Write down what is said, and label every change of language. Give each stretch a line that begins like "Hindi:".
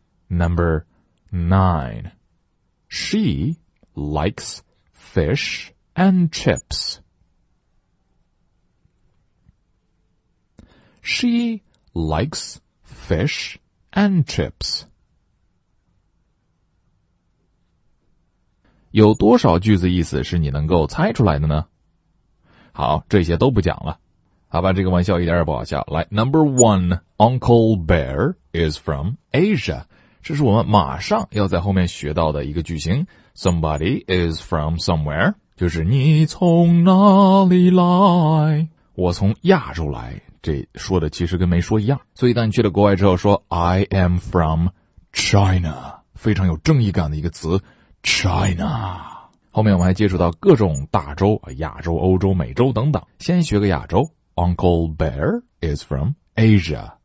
English: Number 9. She likes fish and chips. She likes fish and chips.
Chinese: 有多少句子意思是你能够猜出来的呢？好，这些都不讲了。好吧，这个玩笑一点也不好笑。
English: 来 ,Number one, Uncle Bear is from Asia.
Chinese: 这是我们马上要在后面学到的一个句型。
English: Somebody is from somewhere.
Chinese: 就是你从哪里来。我从亚洲来。这说的其实跟没说一样。所以当你去了国外之后说 ,
English: I am from China.
Chinese: 非常有正义感的一个词 ,China. 后面我们还接触到各种大洲、亚洲、欧洲、美洲等等。先学个亚洲。
English: Uncle Bear is from Asia.